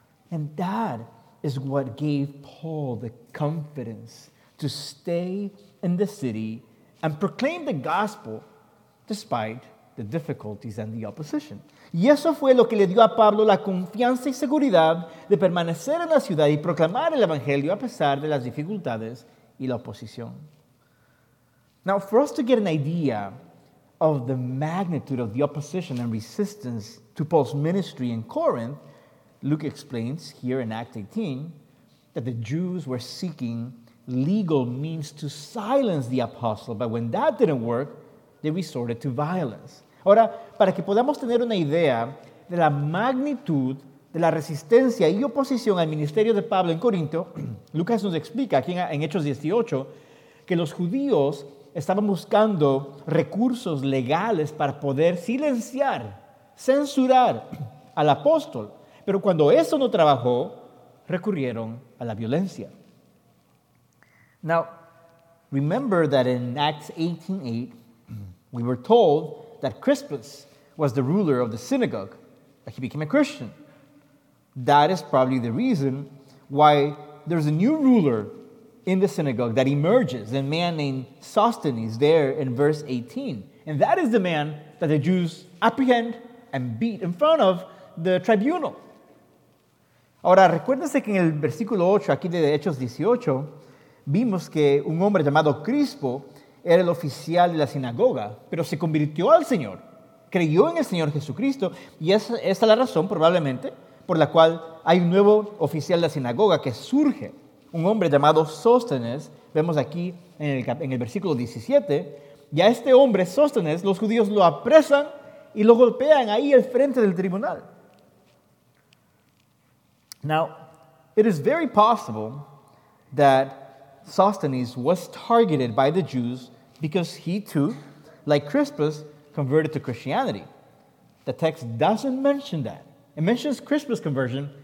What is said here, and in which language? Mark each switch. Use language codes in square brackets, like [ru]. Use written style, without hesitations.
[en] And that is what gave Paul the confidence to stay in the city and proclaim the gospel despite the difficulties and the opposition. [es] Y eso fue lo que le dio a Pablo la confianza y seguridad de permanecer en la ciudad y proclamar el evangelio a pesar de las dificultades y la oposición. [en] Now, for us to get an idea of the magnitude of the opposition and resistance to Paul's ministry in Corinth, Luke explains here in Acts 18 that the Jews were seeking legal means to silence the apostle, but when that didn't work, they resorted to violence. [es] Ahora, para que podamos tener una idea de la magnitud de la resistencia y oposición al ministerio de Pablo en Corinto, Lucas nos explica aquí en Hechos 18 que los judíos estaban buscando recursos legales para poder silenciar, censurar al apóstol. Pero cuando eso no trabajó, recurrieron a la violencia. [en] Now, remember that in Acts 18:8, we were told that Crispus was the ruler of the synagogue, but he became a Christian. That is probably the reason why there's a new ruler in the synagogue that emerges, a man named Sosthenes, there in verse 18. And that is the man that the Jews apprehend and beat in front of the tribunal. [es] Ahora, recuérdense que en el versículo 8, aquí de Hechos 18, vimos que un hombre llamado Crispo era el oficial de la sinagoga, pero se convirtió al Señor, creyó en el Señor Jesucristo, y esa es la razón, probablemente, por la cual hay un nuevo oficial de la sinagoga que surge, un hombre llamado Sóstenes, vemos aquí en el versículo 17, y a este hombre, Sóstenes, los judíos lo apresan y lo golpean ahí al frente del tribunal. [en] Now, it is very possible that Sosthenes was targeted by the Jews because he too, like Crispus, converted to Christianity. The text doesn't mention that. It mentions Crispus' conversion.